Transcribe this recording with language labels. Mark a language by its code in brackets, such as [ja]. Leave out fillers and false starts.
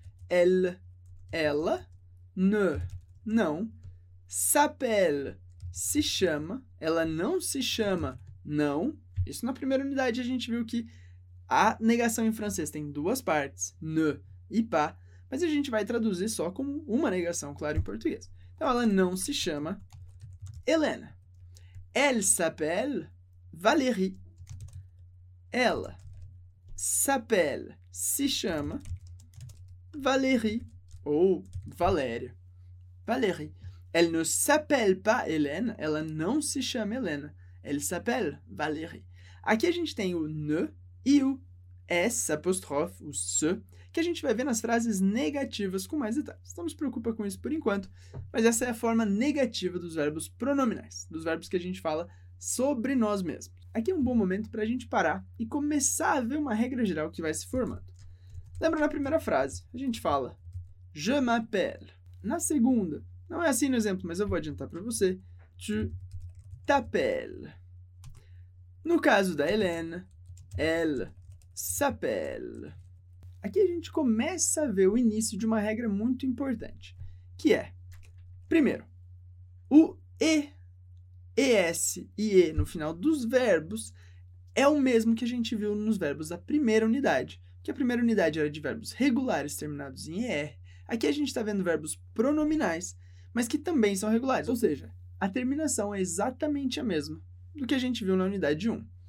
[fr] Elle, [pt] ela, [fr] ne, [pt] não, [fr] s'appelle, [pt] se chama, ela não se chama, não. Isso na primeira unidade a gente viu que a negação em francês tem duas partes, ne e pas, mas a gente vai traduzir só como uma negação, claro, em português. Então, ela não se chama Hélène. [fr] Elle s'appelle Valérie. [pt] Ela [fr] s'appelle, [pt] se chama Valérie, ou Valéria. [fr] Valérie. Elle ne s'appelle pas Hélène, [pt] ela não se chama [fr] Hélène. Elle s'appelle Valérie. [pt] Aqui a gente tem o ne e o s, apostrofe, o se, que a gente vai ver nas frases negativas com mais detalhes. Não se preocupa com isso por enquanto, mas essa é a forma negativa dos verbos pronominais, dos verbos que a gente fala sobre nós mesmos. Aqui é um bom momento para a gente parar e começar a ver uma regra geral que vai se formando. Lembra na primeira frase, a gente fala [fr] je m'appelle. [pt] Na segunda, não é assim no exemplo, mas eu vou adiantar para você, [fr] tu t'appelles. [pt] No caso da Hélène, [fr] elle s'appelle. [pt] Aqui a gente começa a ver o início de uma regra muito importante, que é, primeiro, o E, ES e E no final dos verbos é o mesmo que a gente viu nos verbos da primeira unidade. Que a primeira unidade era de verbos regulares terminados em ER. Aqui a gente está vendo verbos pronominais, mas que também são regulares. Ou seja, a terminação é exatamente a mesma do que a gente viu na unidade 1.